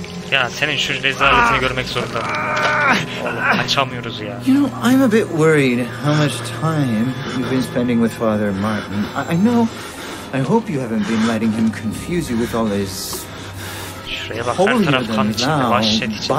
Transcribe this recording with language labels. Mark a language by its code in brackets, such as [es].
[tr] Ya senin şu rezaletini görmek zorunda mıyım ya? Oğlum açamıyoruz ya. [en] You know, I'm a bit worried how much time you've been spending with Father Martin. I know, I hope you haven't been letting him confuse you with all his... [tr] Şuraya bak, her taraf kan içinde, vahşet içinde.